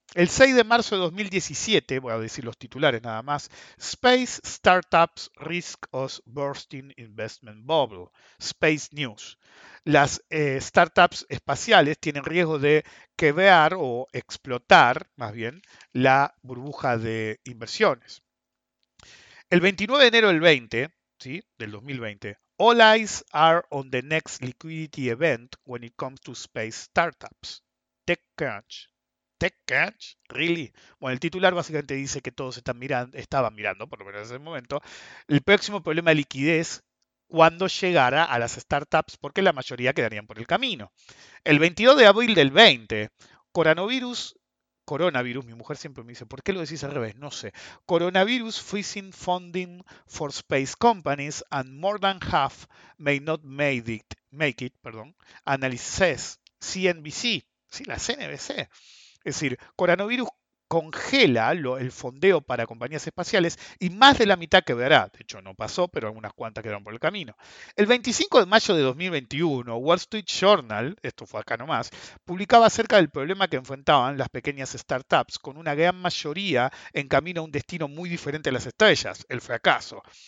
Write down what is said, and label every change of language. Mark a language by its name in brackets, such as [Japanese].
[Spanish] El 6 de marzo de 2017, voy a decir los titulares nada más, [English] Space Startups Risk Us Bursting Investment Bubble, [Spanish] Space News. Las startups espaciales tienen riesgo de quebrar o explotar, más bien, la burbuja de inversiones. El 29 de enero del 20, ¿sí? Del [English] 2020, All eyes are on the next liquidity event when it comes to space startups. [Spanish] TechCrunch. ¿TechCrunch? [English] ¿Really? [Spanish] Bueno, el titular básicamente dice que todos están mirando, estaban mirando, por lo menos en ese momento, el próximo problema de liquidez cuando llegara a las startups, porque la mayoría quedarían por el camino. El 22 de abril del 20, coronavirus, mi mujer siempre me dice, ¿por qué lo decís al revés? No sé. [English] Coronavirus freezing funding for space companies and more than half may not make it, [Spanish] perdón, [English] analysis CNBC, [Spanish] sí, la [English] CNBC. [Spanish] Es decir, coronavirus congela el fondeo para compañías espaciales y más de la mitad quebrará. De hecho, no pasó, pero algunas cuantas quedaron por el camino. El 25 de mayo de 2021, Wall Street Journal, esto fue acá nomás, publicaba acerca del problema que enfrentaban las pequeñas startups, con una gran mayoría en camino a un destino muy diferente a las estrellas, el fracaso.